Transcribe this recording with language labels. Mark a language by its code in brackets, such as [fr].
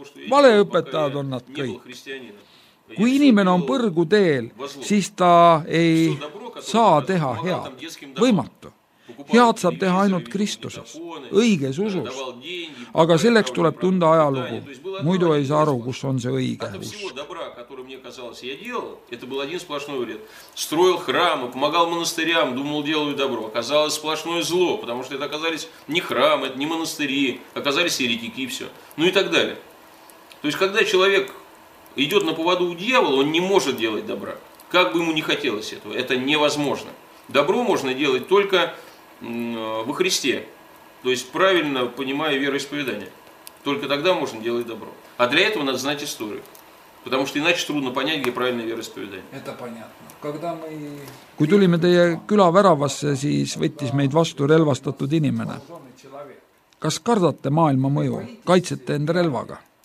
[et] Vale õpetajad on nad kõik. Kui inimene on põrgu teel, siis ta ei saa teha head, võimatu. Head saab teha ainult Kristuses, õiges usus. Aga selleks tuleb tunda ajalugu. Muidu ei saa aru, kus on see õige usk. [ru] То есть, когда человек идет на поводу у дьявола, он не может делать добра. Как бы ему ни хотелось этого, это невозможно. Добро можно делать только во Христе. То есть, правильно понимая вероисповедание. Только тогда можно делать добро. А для этого надо знать историю. Потому что иначе трудно понять, где правильное вероисповедание. Это понятно. Когда мы... [et] Kui tulime teie küla väravasse, siis võttis meid vastu relvastatud inimene. Kas kardate maailma mõju? Kaitsete end relvaga?